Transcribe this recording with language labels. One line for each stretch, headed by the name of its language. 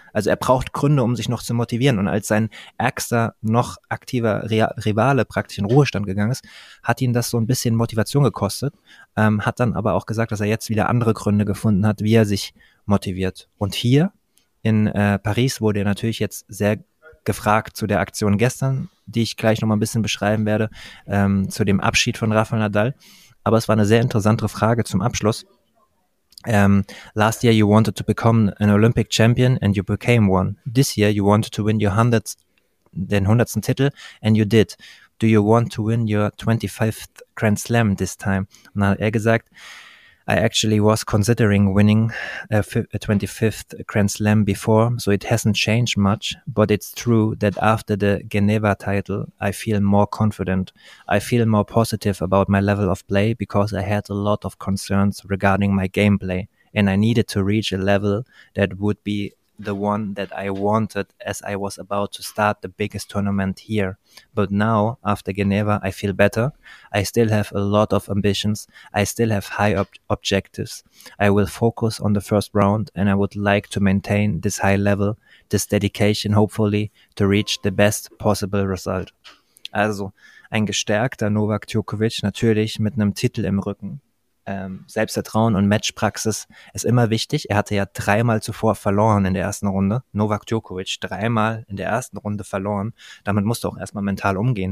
German: Also er braucht Gründe, um sich noch zu motivieren. Und als sein ärgster, noch aktiver Rivale praktisch in Ruhestand gegangen ist, hat ihn das so ein bisschen Motivation gekostet, hat dann aber auch gesagt, dass er jetzt wieder andere Gründe gefunden hat, wie er sich motiviert. Und hier in Paris wurde er natürlich jetzt sehr gefragt zu der Aktion gestern, die ich gleich nochmal ein bisschen beschreiben werde, zu dem Abschied von Rafael Nadal. Aber es war eine sehr interessante Frage zum Abschluss.
English: Last year you wanted to become an Olympic champion and you became one. This year you wanted to win
German: den hundertsten Titel
English: and you did. Do you want to win your 25th Grand Slam this time?
German: Und dann hat er gesagt,
English: I actually was considering winning a 25th Grand Slam before, so it hasn't changed much, but it's true that after the Geneva title, I feel more confident. I feel more positive about my level of play because I had a lot of concerns regarding my gameplay and I needed to reach a level that would be the one that I wanted as I was about to start the biggest tournament here. But now, after Geneva, I feel better. I still have a lot of ambitions. I still have high objectives. I will focus on the first round and I would like to maintain this high level, this dedication, hopefully, to reach the best possible result.
German: Also, ein gestärkter Novak Djokovic, natürlich mit einem Titel im Rücken. Selbstvertrauen und Matchpraxis ist immer wichtig. Er hatte ja 3-mal zuvor verloren in der ersten Runde. Novak Djokovic 3-mal in der ersten Runde verloren. Damit musste er auch erstmal mental umgehen.